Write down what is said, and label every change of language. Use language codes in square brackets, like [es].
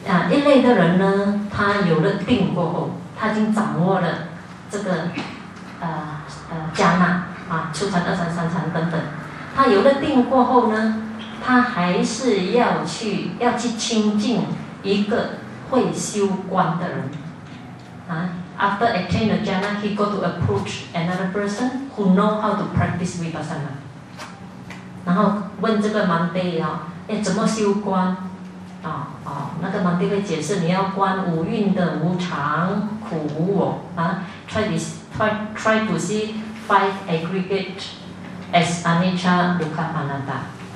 [zh] 一类的人呢，他有了定过后，他已经掌握了这个伽那初禅、二禅、三禅等等。他有了定过后呢，他还是要去亲近一个会修观的人。 [en] After attaining the jhana, he got to approach another person who know how to practice vipassana. [zh] 然后问这个门弟怎么修观？那个门弟会解释，你要观五蕴的无常、苦、无我 [en] try to see five aggregate as anicca, dukkha, anatta.